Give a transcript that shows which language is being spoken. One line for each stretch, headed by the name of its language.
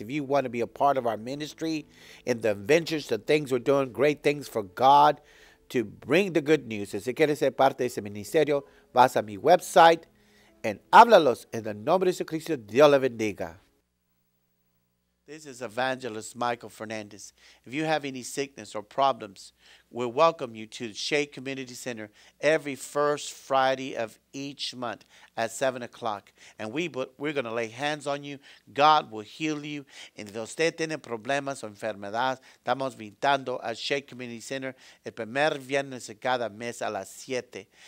English: If you want to be a part of our ministry in the ventures, the things we're doing, great things for God to bring the good news.
Spanish: Si quieres ser parte de ese ministerio, vas a mi website and háblalos en el nombre de Jesucristo. Dios le bendiga.
English: This is Evangelist Michael Fernandez. If you have any sickness or problems, we welcome you to Shea Community Center every first Friday of each month at 7 o'clock. And we're going to lay hands on you. God will heal you. And if
Spanish: usted tiene problemas o enfermedades, estamos visitando a Shea Community Center el primer viernes de cada mes a las 7.